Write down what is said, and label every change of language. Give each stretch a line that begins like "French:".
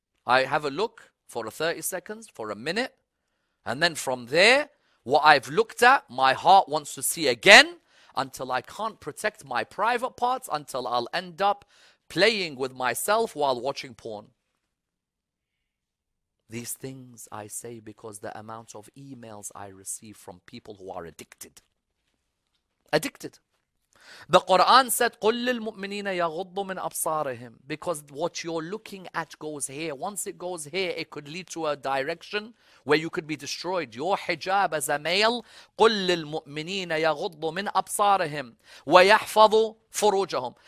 English: I have a look for 30 seconds, for a minute, and then from there, what I've looked at, my heart wants to see again, until I can't protect my private parts, until I'll end up playing with myself while watching porn. These things I say because the amount of emails I receive from people who are addicted. Addicted. The Quran said,
Arabic: قُلْ لِلْمُؤْمِنِينَ يَغُضُّ مِنْ أَبْصَارِهِمْ.
English: Because what you're looking at goes here. Once it goes here, it could lead to a direction where you could be destroyed. Your hijab as a male,
Arabic: قُلْ لِلْمُؤْمِنِينَ يَغُضُّ مِنْ أَبْصَارِهِمْ وَيَحْفَظُ فُرُوجَهُمْ.